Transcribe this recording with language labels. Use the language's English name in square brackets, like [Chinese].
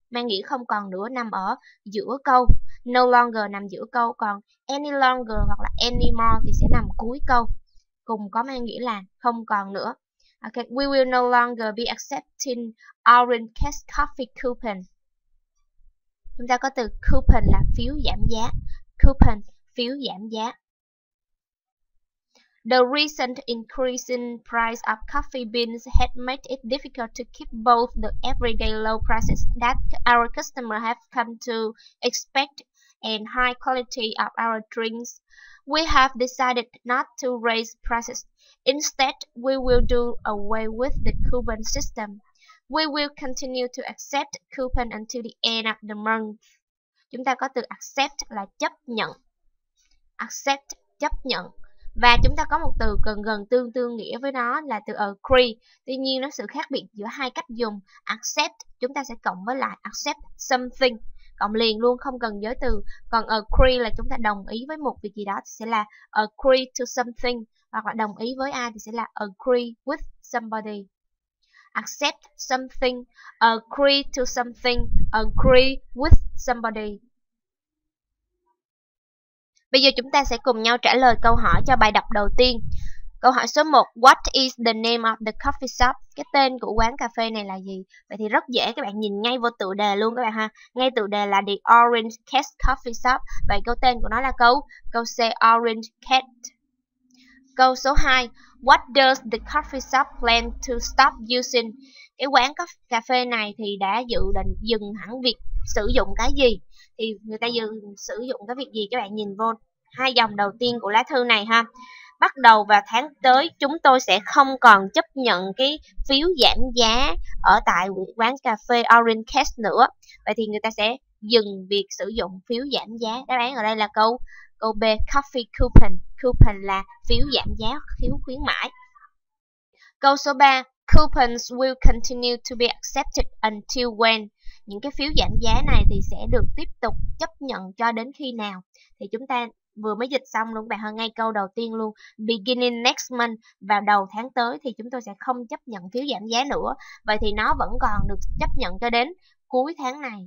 [Vietnamese] mà nghĩ không còn nữa nằm ở giữa câu. No longer nằm giữa câu, còn any longer hoặc là any more thì sẽ nằm cuối câu. Cùng có mang nghĩa là không còn nữa. [English] Okay, we will no longer be accepting Orange Cash Coffee coupon. [Vietnamese] Chúng ta có từ coupon là phiếu giảm giá. Coupon, phiếu giảm giá. [English] The recent increase in price of coffee beans has made it difficult to keep both the everyday low prices that our customers have come to expect and high quality of our drinks. We have decided not to raise prices. Instead, we will do away with the coupon system. We will continue to accept coupon until the end of the month. [Vietnamese] Chúng ta có từ accept là chấp nhận. Accept, chấp nhận. Và chúng ta có một từ gần gần tương tương nghĩa với nó là từ agree. Tuy nhiên, nó sự khác biệt giữa hai cách dùng. Accept, chúng ta sẽ cộng với lại accept something. Cộng liền luôn, không cần giới từ. Còn agree là chúng ta đồng ý với một việc gì đó thì sẽ là agree to something. Hoặc là đồng ý với ai thì sẽ là agree with somebody. [English] Accept something, agree to something, agree with somebody. [Vietnamese] Bây giờ chúng ta sẽ cùng nhau trả lời câu hỏi cho bài đọc đầu tiên. Câu hỏi số 1, [English] what is the name of the coffee shop? [Vietnamese] Cái tên của quán cà phê này là gì? Vậy thì rất dễ, các bạn nhìn ngay vô tựa đề luôn các bạn ha. Ngay tựa đề là The Orange Cat Coffee Shop. Vậy câu tên của nó là câu C, Orange Cat. Câu số 2, [English] what does the coffee shop plan to stop using? [Vietnamese] Cái quán cà phê này thì đã dự định dừng hẳn việc sử dụng cái gì? Thì người ta dừng sử dụng cái việc gì? Các bạn nhìn vô hai dòng đầu tiên của lá thư này ha. Bắt đầu vào tháng tới, chúng tôi sẽ không còn chấp nhận cái phiếu giảm giá ở tại quán cà phê Orange Cash nữa. Vậy thì người ta sẽ dừng việc sử dụng phiếu giảm giá. Đáp án ở đây là câu B, coffee coupon. Coupon là phiếu giảm giá, phiếu khuyến mãi. Câu số 3, [English] coupons will continue to be accepted until when? [Vietnamese] Những cái phiếu giảm giá này thì sẽ được tiếp tục chấp nhận cho đến khi nào? Thì chúng ta vừa mới dịch xong luôn, bạn hơn ngay câu đầu tiên luôn. [English] Beginning next month, [Vietnamese] vào đầu tháng tới thì chúng tôi sẽ không chấp nhận phiếu giảm giá nữa. Vậy thì nó vẫn còn được chấp nhận cho đến cuối tháng này.